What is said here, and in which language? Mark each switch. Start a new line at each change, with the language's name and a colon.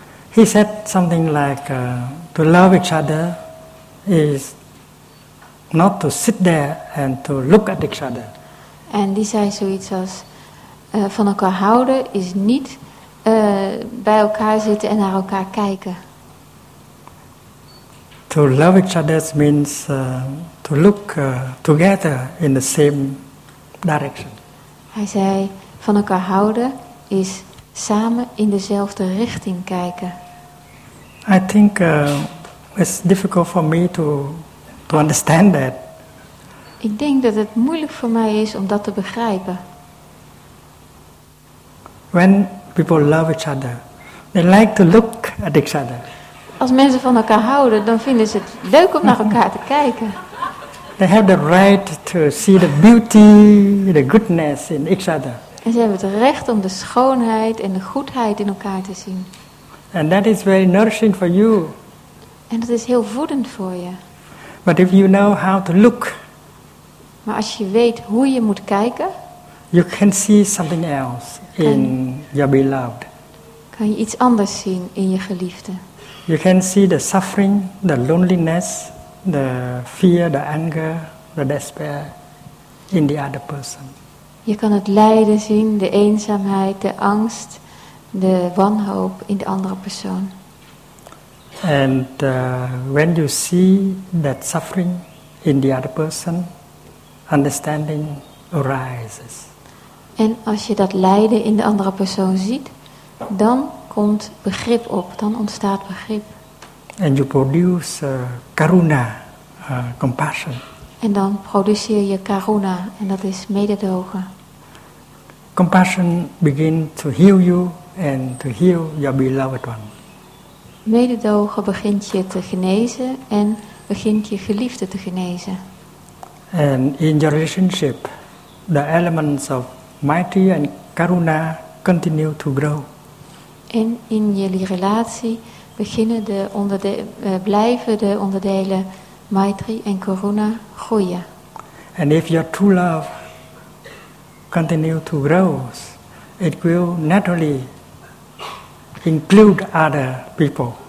English: He said something like, to love each other is not to sit there and to look at each other.
Dutch: En die zei zoiets als, van elkaar houden is niet bij elkaar zitten en naar elkaar kijken.
English: To love each other means to look together in the same direction.
Dutch: Hij zei, van elkaar houden is samen in dezelfde richting kijken.
English: I think it's difficult for me to understand that.
Dutch: Ik denk dat het moeilijk voor mij is om dat te begrijpen.
English: When people love each other, they like to look at each other.
Dutch: Als mensen van elkaar houden, dan vinden ze het leuk om naar elkaar te kijken.
English: They have the right to see the beauty, the goodness in each other.
Dutch: En ze hebben het recht om de schoonheid en de goedheid in elkaar te zien.
English: And that is very nourishing for you.
Dutch: En dat is heel voedend voor je.
English: But if you know how to look,
Dutch: maar als je weet hoe je moet kijken,
English: you can see something else in your beloved.
Dutch: Kan je iets anders zien in je geliefde?
English: You can see the suffering, the loneliness, the fear, the anger, the despair in the other person.
Dutch: Je kan het lijden zien, de eenzaamheid, de angst, de wanhoop in de andere persoon.
English: And when you see that suffering in the other person, understanding arises.
Dutch: En als je dat lijden in de andere persoon ziet, dan komt begrip op, dan ontstaat begrip.
English: And you produce karuna, compassion.
Dutch: En dan produceer je karuna, en dat is mededogen.
English: Compassion begin to heal you and to heal your beloved one.
Dutch: Mededogen begint je te genezen en begint je geliefde te genezen.
English: And in your relationship, the elements of maitri and karuna continue to grow.
Dutch: En in jullie relatie beginnen de blijven de onderdelen maitri en karuna groeien.
English: And if your true love continue to grow, it will naturally include other people.